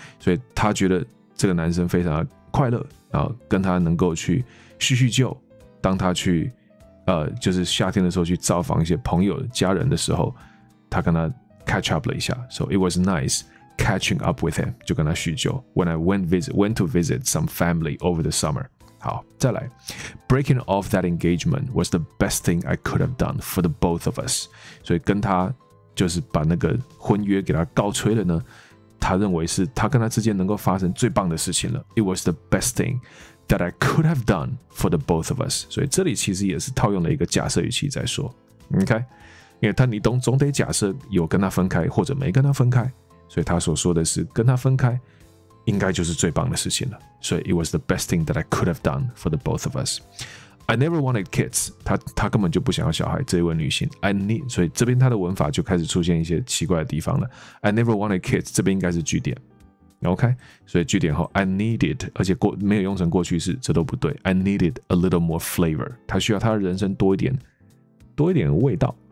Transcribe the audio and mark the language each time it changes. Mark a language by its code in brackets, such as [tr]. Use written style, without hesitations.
[zh] 所以他觉得这个男生非常快乐，然后跟他能够去叙叙旧，当他去就是夏天的时候去造访一些朋友家人的时候，他跟他 catch up 了一下 ， [en] so it was nice。 Catching up with him， [zh] 就跟他叙旧。 [en] When I went to visit some family over the summer， [zh] 好，再来。 [en] Breaking off that engagement was the best thing I could have done for the both of us。 [zh] 所以跟他就是把那个婚约给他告吹了呢，他认为是他跟他之间能够发生最棒的事情了。 [en] It was the best thing that I could have done for the both of us。 [zh] 所以这里其实也是套用了一个假设语气在说 ，OK， 因为他你懂总得假设有跟他分开或者没跟他分开。所以他所说的是跟他分开应该就是最棒的事情了。 [en] 所以 it was the best thing that I could have done for the both of us. I never wanted kids. [zh] 他根本就不想要小孩，这位女性。所以这边他的文法就开始出现一些奇怪的地方了。 [en] I never wanted kids. [zh] 这边应该是句点。OK? 所以句点后 I needed, 而且没有用成过去式，这都不对。 [en] I needed a little more flavor. [zh] 他需要他的人生多一点味道。